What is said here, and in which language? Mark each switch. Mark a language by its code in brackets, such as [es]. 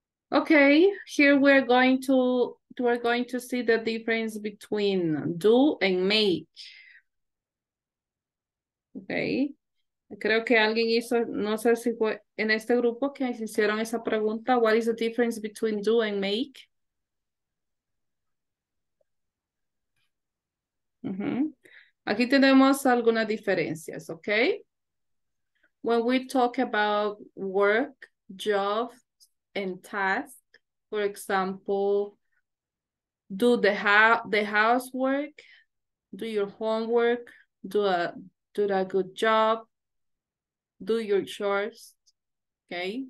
[en] Okay, here we're going to see the difference between do and make. Okay. [es] Creo que alguien hizo, no sé si fue en este grupo que hicieron esa pregunta. [en] What is the difference between do and make? [es] Mm-hmm. Aquí tenemos algunas diferencias, okay? [en] When we talk about work, job, and task, for example, do the housework, do your homework, do a good job, do your chores, okay?